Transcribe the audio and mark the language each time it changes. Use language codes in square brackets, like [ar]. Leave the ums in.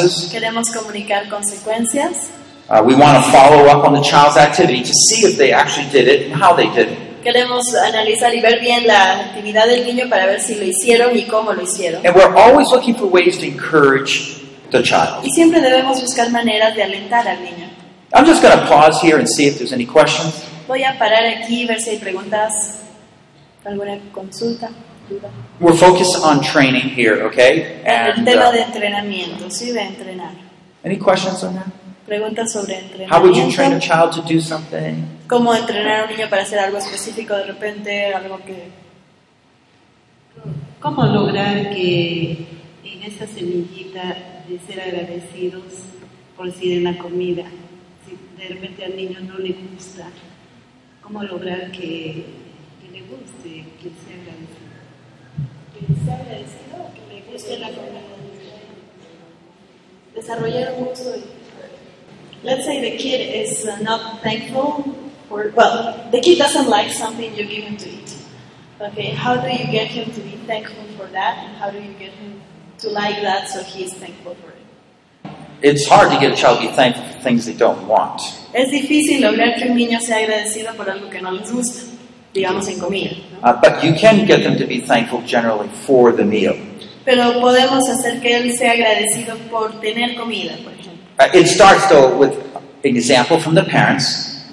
[es] Queremos comunicar consecuencias. [en] Uh, we want to follow up on the child's activity to see if they actually did it and how they did it. [es] Queremos analizar y ver bien la actividad del niño para ver si lo hicieron y cómo lo hicieron. [en] And we're always looking for ways to encourage the child. [es] Y siempre debemos buscar maneras de alentar al niño. [en] I'm just going to pause here and see if there's any questions. [es] Voy a parar aquí y ver si hay preguntas, alguna consulta, duda. [en] We're focused on training here, okay? And, [es] El tema uh, de entrenamiento, sí, de entrenar. [en] Any questions on or... that? [es] preguntas sobre entrenamiento. ¿Cómo entrenar, ¿Cómo entrenar a un niño para hacer algo específico de repente, algo que ¿Cómo, cómo lograr que en esa semillita de ser agradecidos por si en la comida, si de repente al niño no le gusta, cómo lograr que, que le guste, que sea agradecido? ¿Que le sea agradecido o que le guste, ¿Que le guste de la de comida? comida? Desarrollar un gusto. [en] Let's say the kid is not thankful, or well, the kid doesn't like something you give him to eat. Okay, how do you get him to be thankful for that, and how do you get him to like that so he is thankful for it? It's hard to get a child to be thankful for things they don't want. [es] Es difícil lograr que un niño sea agradecido por algo que no les gusta. Comida, ¿no? [en] uh, but you can get them to be thankful generally for the meal. [es] Pero podemos hacer que él sea agradecido por tener comida, por pues. [en] It starts though with an example from the parents.